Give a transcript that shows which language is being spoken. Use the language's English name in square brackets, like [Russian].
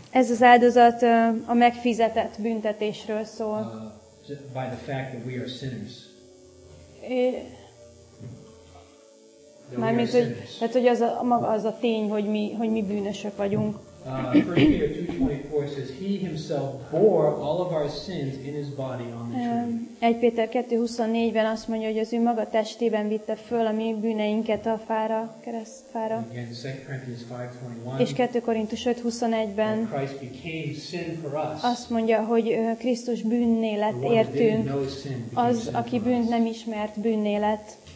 [Hungarian] Ez az áldozat a megfizetett büntetésről szól. [English] By the fact that we are sinners. [Hungarian] Mármint, hogy az az a tény, hogy mi bűnösök vagyunk. [English] 1 Peter 2:24 says he himself bore all of our sins in his body on the tree. [Hungarian] 1 Péter 2:24-ben azt mondja, hogy az ő maga testében vitte föl a mi bűneinket a fára, keresztfára. [English] Again, 2 Corinthians 5:21. [Hungarian] És 2 Korintus 5:21-ben [English] Christ became sin for us. [Hungarian] Azt mondja, hogy Krisztus bűnné lett értünk. Az, aki bűnt nem ismert, bűnné lett.